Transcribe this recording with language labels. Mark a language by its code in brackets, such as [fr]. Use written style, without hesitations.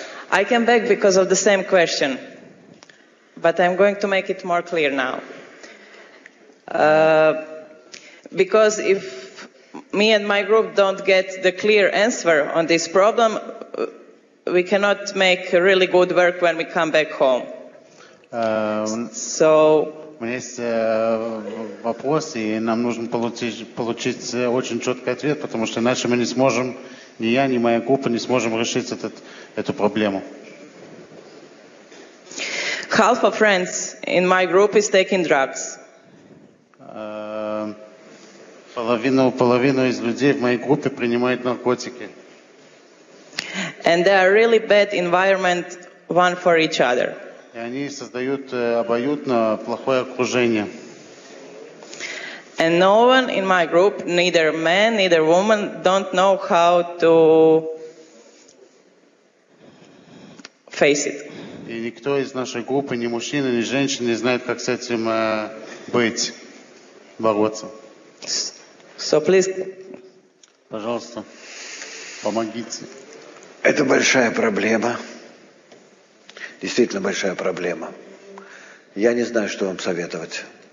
[en] I came back because of the same question, but I'm going to make it more clear now. Because if me and my group don't get the clear answer on this problem, we cannot make really good work when we come back home. So. [ru] У меня есть вопрос, и нам нужно получить очень четкий ответ, потому что иначе мы не сможем, ни я, ни моя группа не сможем решить эту проблему. [en] Half of friends in my group is taking drugs. [ru] Половина из людей в моей группе принимает наркотики. [en] And they are really bad environment one for each other. [ru] И они создают обоюдно плохое окружение. [en] And no one in my group, neither man, neither woman, don't know how to face it. [ru] И никто из нашей группы, ни мужчина, ни женщина, не знает, как с этим быть, бороться. [en] So please. [ru] Пожалуйста, помогите. Это большая проблема. Действительно большая проблема. Я не знаю, что вам советовать.